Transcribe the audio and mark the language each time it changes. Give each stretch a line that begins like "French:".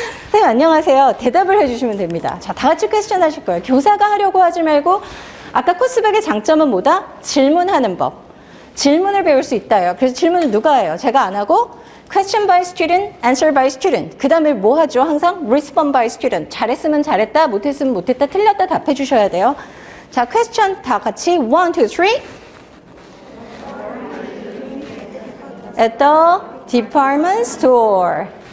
Korean: 선생님 안녕하세요. 대답을 해주시면 됩니다. 자 다 같이 퀘스천 하실 거예요. 교사가 하려고 하지 말고 아까 코스백의 장점은 뭐다? 질문하는 법. 질문을 배울 수 있다요. 그래서 질문을 누가 해요? 제가 안 하고
English: question by student, answer by student.
Korean: 그 다음에 뭐 하죠?
English: 항상 respond by student.
Korean: 잘했으면 잘했다, 못했으면 못했다, 틀렸다 답해 주셔야 돼요.
English: 자, question
Korean: 다 같이
English: one, two, three. At the department store.